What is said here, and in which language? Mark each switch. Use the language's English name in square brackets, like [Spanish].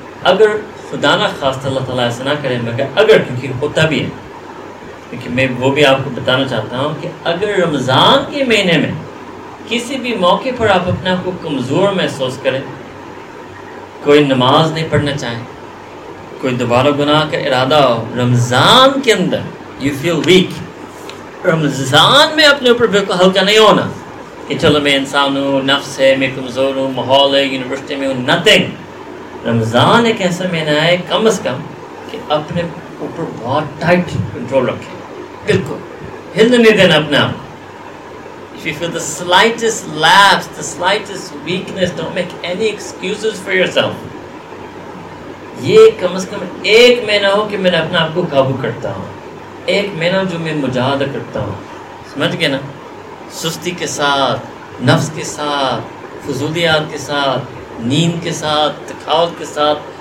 [Urdu] اگر خدا نہ خواستہ اللہ تعالیٰ ایسا نہ کرے, مگر اگر, کیونکہ ہوتا بھی ہے, کیونکہ میں وہ بھی آپ کو بتانا چاہتا ہوں کہ اگر رمضان کے مہینے میں کسی بھی موقع پر آپ اپنے آپ کو کمزور محسوس کریں, کوئی نماز نہیں پڑھنا چاہیں, کوئی دوبارہ گناہ کا ارادہ ہو, رمضان کے اندر [English] you feel weak, [Urdu] رمضان میں اپنے اوپر بالکل ہلکا نہیں ہونا کہ چلو میں انسان ہوں, نفس ہے, میں کمزور ہوں, ماحول ہے, یونیورسٹی میں ہوں, نتنگ. رمضان ایک ایسا مہینہ ہے کم از کم کہ اپنے اوپر بہت ٹائٹ کنٹرول رکھیں, بالکل ہلنے نہیں دینا اپنے آپ. [English] If you feel the slightest lapse, the slightest weakness, don't make any excuses for yourself. [Urdu] یہ کم از کم ایک مہینہ ہو کہ میں اپنے آپ کو قابو کرتا ہوں, ایک مہینہ جو میں مجاہدہ کرتا ہوں, سمجھ گئے نا, سستی کے ساتھ, نفس کے ساتھ, فضولیات کے ساتھ, نیند کے ساتھ, تھکاوٹ کے ساتھ.